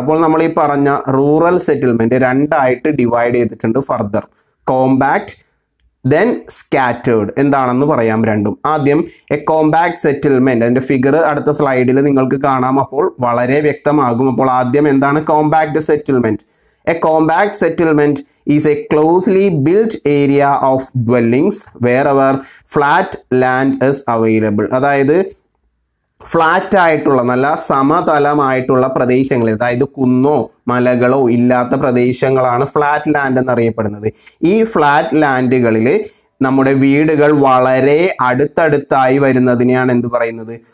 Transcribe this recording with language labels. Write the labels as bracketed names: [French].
[Malayalam] അപ്പോൾ നമ്മൾ ഈ പറഞ്ഞ റൂറൽ സെറ്റിൽമെൻറ്റ് രണ്ടായിട്ട് ഡിവൈഡ് ചെയ്തിട്ടുണ്ട് ഫർദർ. കോംപാക്ട് ദെൻ സ്കാറ്റേർഡ് എന്താണെന്ന് പറയാം രണ്ടും. ആദ്യം എ കോംപാക്ട് സെറ്റിൽമെൻറ്റ്, അതിൻ്റെ ഫിഗർ അടുത്ത സ്ലൈഡിൽ നിങ്ങൾക്ക് കാണാം, അപ്പോൾ വളരെ വ്യക്തമാകും. അപ്പോൾ ആദ്യം എന്താണ് compact settlement? [English] A compact settlement is a closely built area of dwellings wherever flat land is available. [Malayalam] അതായത് ഫ്ലാറ്റ് ആയിട്ടുള്ള, നല്ല സമതലമായിട്ടുള്ള പ്രദേശങ്ങളിൽ, അതായത് കുന്നോ മലകളോ ഇല്ലാത്ത പ്രദേശങ്ങളാണ് ഫ്ലാറ്റ് ലാൻഡ് എന്നറിയപ്പെടുന്നത്. ഈ ഫ്ലാറ്റ് ലാൻഡുകളിൽ നമ്മുടെ വീടുകൾ വളരെ അടുത്തടുത്തായി വരുന്നതിനെയാണ് എന്ത് പറയുന്നത്?